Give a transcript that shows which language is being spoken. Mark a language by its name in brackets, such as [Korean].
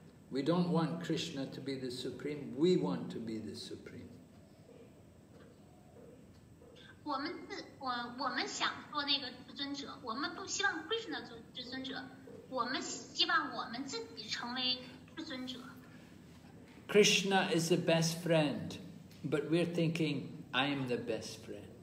[English] We don't want Krishna to be the supreme. We want to be the supreme. [Chinese] 我们想做那个至尊者，我们不希望 Krishna 做至尊者，我们希望我们自己成为至尊者。 [English] Krishna is the best friend, but we're thinking I am the best friend.